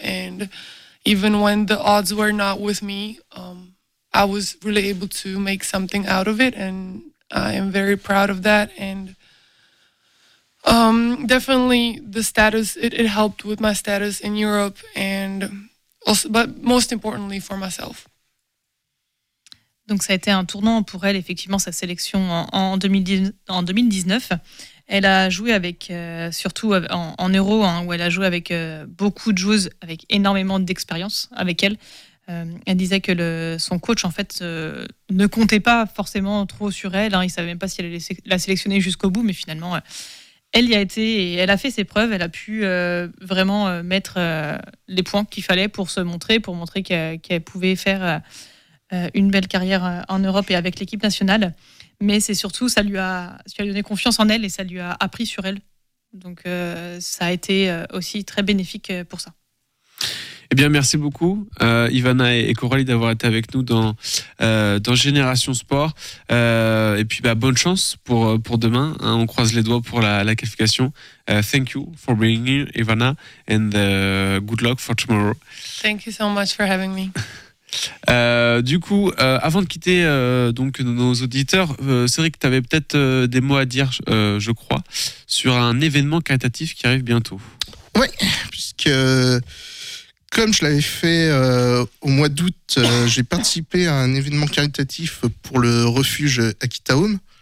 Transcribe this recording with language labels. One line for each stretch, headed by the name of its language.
English: And even when the odds were not with me, I was really able to make something out of it. And I am very proud of that. And definitely the status, it helped with my status in Europe, and also, but most importantly for myself.
French: Donc ça a été un tournant pour elle, effectivement, sa sélection en 2019. Elle a joué avec, surtout en Euro, hein, où elle a joué avec beaucoup de joueuses avec énormément d'expérience avec elle. Elle disait que son coach, en fait, ne comptait pas forcément trop sur elle. Hein, il ne savait même pas si elle allait la sélectionner jusqu'au bout, mais finalement, elle y a été et elle a fait ses preuves. Elle a pu vraiment mettre les points qu'il fallait pour se montrer, pour montrer qu'elle pouvait faire une belle carrière en Europe et avec l'équipe nationale. Mais c'est surtout, ça lui a donné confiance en elle et ça lui a appris sur elle. Donc ça a été aussi très bénéfique pour ça. Eh bien, merci beaucoup, Ivana et Coralie, d'avoir été avec nous dans Génération Sport. Et puis, bonne chance pour demain. Hein, on croise les doigts pour la qualification.
English: Thank you for being here, Ivana, and good luck for tomorrow. Thank you so much for having me.
French: Du coup, avant de quitter donc nos auditeurs, Cédric, tu avais peut-être des mots à dire, je crois, sur un événement caritatif qui arrive bientôt. Oui, puisque comme je l'avais fait au mois d'août, j'ai participé à un événement caritatif pour le refuge Akita Home.